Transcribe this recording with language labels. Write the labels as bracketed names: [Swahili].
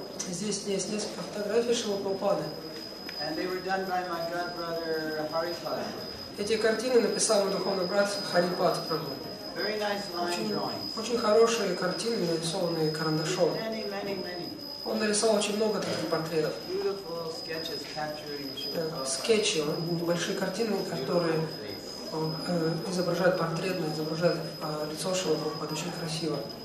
[Russian] Здесь есть несколько фотографий Шрилы Прабхупады. [English] And they were done by my god brother Харипад. [Russian] Эти картины написал мой духовный брат Харипад Прабху. [English] Very nice line drawings. [Russian] Очень хорошие картины, нарисованные карандашом. [English] Many. [Russian] Он нарисовал очень много таких портретов. [English] Beautiful sketches capturing. [Russian] Скетчи, небольшие картины, которые изображают портретно, изображают лицо Шрилы Прабхупады очень красиво.